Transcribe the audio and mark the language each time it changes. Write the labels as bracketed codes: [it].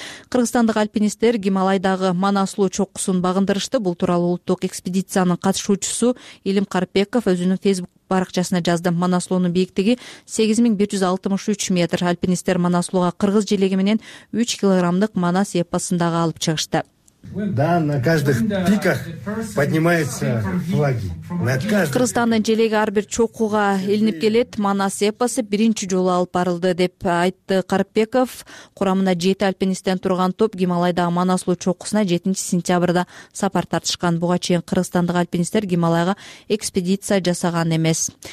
[ky] Кыргызстандык альпинисттер Гималайдагы Манаслуу чокусун багындырышты. Бул тууралуу улуттук экспедициянын катышуучусу Илим Карпеков өзүнүн Facebook баракчасына жаздым. Манаслуунун бийиктиги 8163 метр. Альпинисттер Манаслууга кыргыз желеги менен 3 килограммдык Манас эпосундагы алып чыгышты. [ru] Да, на каждых пиках поднимаются флаги. [ky] Кыргызстандын желеги ар бир чокуга илинип келет. Манас эпосу биринчи жолу алып барылды деп айтты Карпеков. Курамында 7 альпинисттен турган топ Гималайдагы Манаслуу чокусуна 7 сентябрда сапар тартышкан. Буга чейин кыргызстандык альпинисттер Гималайга экспедиция жасаган эмес.